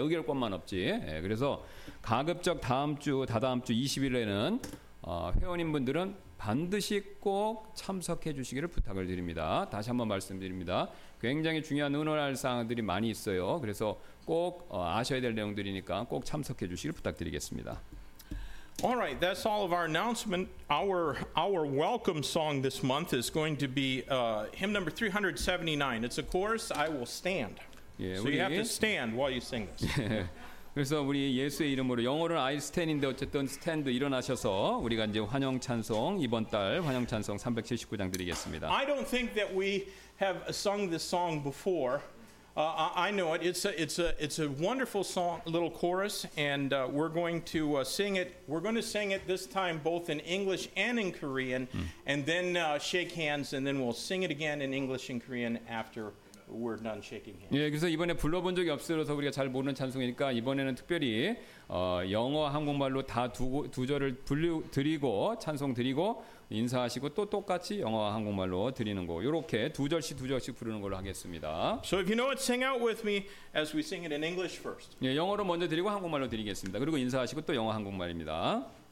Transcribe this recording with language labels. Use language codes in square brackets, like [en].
[ko] 의결권만 없지. 그래서 가급적 다음 주, 다다음 주 20일에는 회원인 분들은 반드시 꼭 참석해 주시기를 부탁을 드립니다. 다시 한번 말씀드립니다. 굉장히 중요한 의논할 사항들이 많이 있어요. 그래서 꼭 아셔야 될 내용들이니까 꼭 참석해 주시길 부탁드리겠습니다. [en] All right, that's all of our announcement. Our welcome song this month is going to be hymn number 379. It's a chorus, I Will Stand. [ko] 예, [en] so you have to stand while you sing this. [ko] 그래서 우리 예수의 이름으로 영어로는 [en] I stand [ko] 인데 어쨌든 stand 일어나셔서 우리가 이제 환영 찬송 이번 달 환영 찬송 379장 드리겠습니다. [en] I don't think that we have sung this song before. I know it. It's a wonderful song, little chorus, and we're going to sing it. We're going to sing it this time both in English and in Korean, and then shake hands, and then we'll sing it again in English and Korean after. We're done shaking hands. [ko] 예, 그래서 이번에 불러본 적이 없어서 우리가 잘 모르는 찬송이니까 이번에는 특별히 영어 한국말로 다 두 절을 드리고 찬송 드리고 인사하시고 또 똑같이 영어 한국말로 드리는 거 이렇게 두 절씩 두 절씩 부르는 걸로 하겠습니다. [en] So if you know it, sing out with me as we sing it in English first. [ko] 예, 영어로 먼저 드리고 한국말로 드리겠습니다. 그리고 인사하시고 또 영어 한국말입니다.